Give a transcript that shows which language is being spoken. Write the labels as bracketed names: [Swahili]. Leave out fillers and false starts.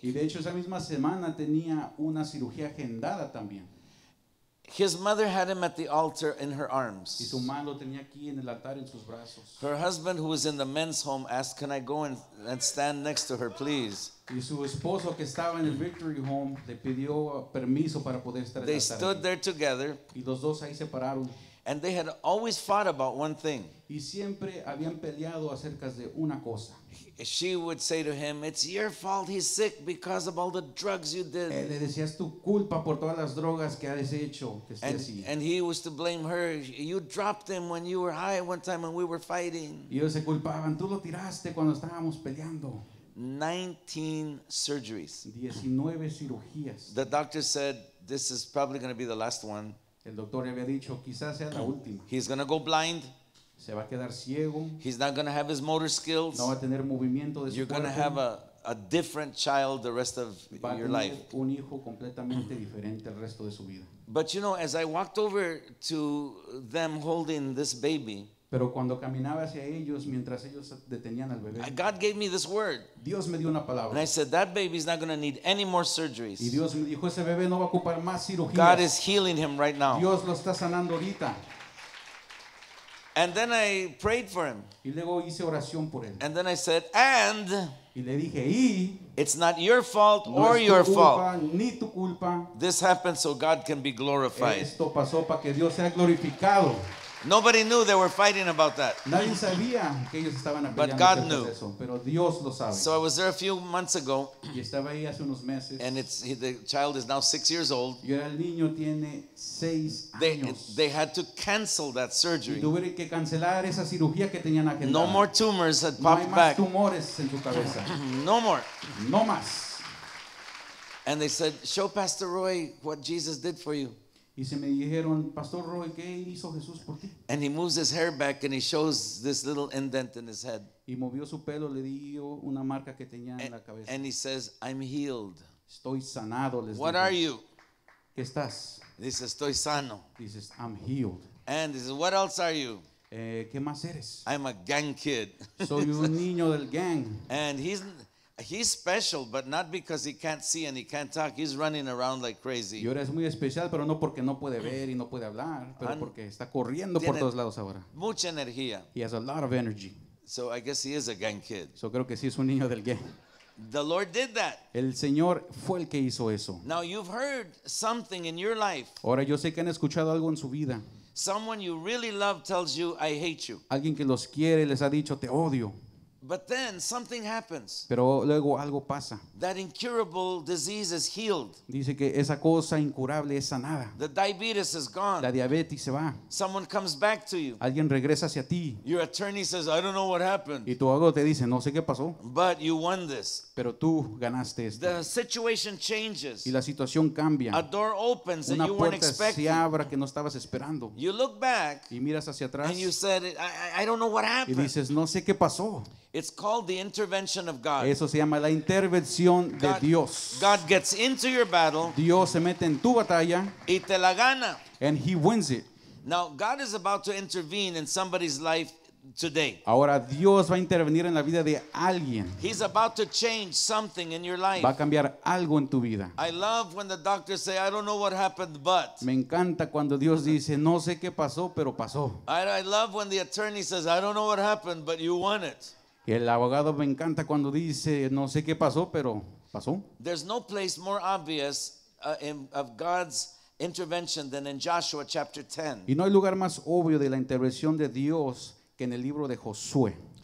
[Spanish] Y de hecho esa misma semana tenía una cirugía agendada también. [English] His mother had him at the altar in her arms. [Spanish] Y su madre lo tenía aquí en el altar en sus brazos. [English] Her husband, who was in the men's home, asked, "Can I go and stand next to her, please?" [Spanish] Y su esposo que estaba en el Victory Home le pidió permiso para poder estar. [English] They stood there together. [Spanish] Y los dos ahí se pararon. [English] And they had always fought about one thing. [Spanish] Y siempre habían peleado acerca de una cosa. [English] She would say to him, "It's your fault he's sick because of all the drugs you did." [Spanish] Le decía, "Es tu culpa por todas las drogas que has hecho que esté así." [English] And he was to blame her. "You dropped him when you were high one time when we were fighting." [Spanish] Y ellos se culpaban. "Tú lo tiraste cuando estábamos peleando." [English] 19 surgeries. [Spanish] 19 cirugías. [English] The doctor said, "This is probably going to be the last one." [Spanish] El doctor había dicho, quizás sea la última. [English] He's going to go blind. [Spanish] Se va a quedar ciego. [English] He's not going to have his motor skills. [Spanish] No va a tener movimiento de su [English] You're going to have a different child the rest of [Spanish] va [English] your life. [Spanish] Un hijo completamente diferente el resto de su vida. [English] But you know, as I walked over to them holding this baby, [Spanish] pero cuando caminaba hacia ellos mientras ellos detenían al bebé, [English] God gave me this word. [Spanish] Dios me dio una palabra. [English] And I said, "That baby's not going to need any more surgeries." [Spanish] Y Dios me dijo, ese bebé no va a ocupar más cirugías. [English] God is healing him right now. [Spanish] Dios lo está sanando ahorita. [English] And then I prayed for him. [Spanish] Y luego hice oración por él. [English] And then I said, "And," [Spanish] y le dije, y, [English] "it's not your fault [Spanish] no [English] or [Spanish] es tu [English] your [Spanish] culpa, [English] fault. [Spanish] Ni tu culpa. [English] This happened so God can be glorified." [Spanish] Esto pasó para que Dios sea glorificado. [English] Nobody knew they were fighting about that. [Spanish] Nadie sabía que ellos estaban [English] but God knew. [Spanish] Eso, pero Dios lo sabe. [English] So I was there a few months ago. [Spanish] Y estaba ahí hace unos meses, [English] and the child is now 6 years old. [Spanish] Y el niño tiene seis [English] they, [Spanish] años. [English] They had to cancel that surgery. [Spanish] Y tuvieron que cancelar esa cirugía que tenían agendada. [English] No more tumors had [Spanish] no [English] popped [Spanish] hay más [English] back. [Spanish] Tumores en tu cabeza. [English] No more. [Spanish] No más. [English] And they said, "Show Pastor Roy what Jesus did for you." [Spanish] Y se me dijeron, "Pastor Roy, ¿qué hizo Jesús por ti?" [English] And he moves his hair back and he shows this little indent in his head. [Spanish] Y movió su pelo, le dio una marca que tenía en la cabeza. [English] And he says, "I'm healed." [Spanish] Estoy sanado, les digo. [English] "What are you?" [Spanish] ¿Qué estás? [English] He says, [Spanish] "Estoy sano." [English] He says, "I'm healed." And he says, "What else are you?" [Spanish] ¿Qué más eres? [English] "I'm a gang kid." [Spanish] Soy un niño del gang. [English] And he's special, but not because he can't see and he can't talk. He's running around like crazy. [Spanish] Y ahora es muy especial, pero no porque no puede ver y no puede hablar, pero porque está corriendo por todos lados ahora. Mucha energía. [English] He has a lot of energy. So I guess he is a gang kid. [Spanish] So creo que sí es un niño del gang. [English] The Lord did that. [Spanish] El Señor fue el que hizo eso. [English] Now you've heard something in your life. [Spanish] Ahora yo sé que han escuchado algo en su vida. [English] Someone you really love tells you, "I hate you." [Spanish] Alguien que los quiere les ha dicho, "Te odio." [English] But then something happens. [Spanish] Pero luego algo pasa. [English] That incurable disease is healed. [Spanish] Dice que esa cosa incurable es sanada. [English] The diabetes is gone. [Spanish] La diabetes se va. [English] Someone comes back to you. [Spanish] Alguien regresa hacia ti. [English] Your attorney says, "I don't know what happened." [Spanish] Y tu abogado te dice, "No sé qué pasó." [English] But you won this. [Spanish] Pero tú ganaste esto. [English] The situation changes. [Spanish] Y la situación cambia. [English] A door opens [Spanish] Una [English] that you weren't expecting. [Spanish] Una puerta se abre que no estabas esperando. [English] You look back. [Spanish] Y miras hacia atrás. [English] And you said, "I don't know what happened." [Spanish] Y dices, "No sé qué pasó." [English] It's called the intervention of God. [Spanish] Eso se llama la intervención de Dios. [English] God gets into your battle. [Spanish] Dios se mete en tu batalla. Y te la gana. [English] And he wins it. Now God is about to intervene in somebody's life today. [Spanish] Ahora Dios va a intervenir en la vida de alguien. [English] He's about to change something in your life. [Spanish] Va a cambiar algo en tu vida. [English] I love when the doctors say, "I don't know what happened, but." [Spanish] Me encanta cuando Dios dice, "No sé qué pasó, pero pasó." [English] I love when the attorney says, "I don't know what happened, but you won it." [Spanish] Y el abogado me encanta cuando dice, "No sé qué pasó, pero pasó." [English] There's no place more obvious of God's intervention than in Joshua chapter 10. [Spanish] Y no hay lugar más obvio de la intervención de Dios que en el libro de Josué.